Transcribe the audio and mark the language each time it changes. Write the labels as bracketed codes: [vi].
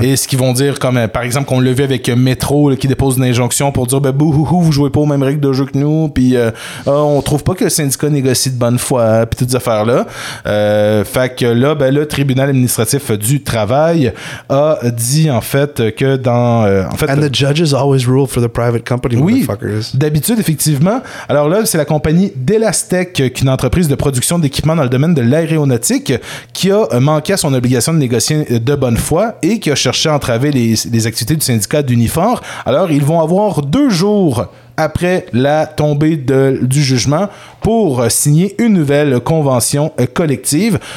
[fr] Et ce qu'ils vont dire, comme par exemple, qu'on l'a vu avec Metro là, qui dépose une injonction pour dire « Ben, bouhouhou, vous jouez pas aux mêmes règles de jeu que nous, puis on trouve pas que le syndicat négocie de bonne foi, puis toutes ces affaires-là. » Fait que là, ben le tribunal administratif du travail... a dit en fait que dans en fait [en] and the judges always rule for the private company, [fr] oui, [en] motherfuckers. [fr] D'habitude, effectivement. Alors là, c'est la compagnie Delastec, qui est une entreprise de production d'équipements dans le domaine de l'aéronautique, qui a manqué à son obligation de négocier de bonne foi et qui a cherché à entraver les activités du syndicat d'Unifor. Alors ils vont avoir 2 jours après la tombée du jugement pour signer une nouvelle convention collective.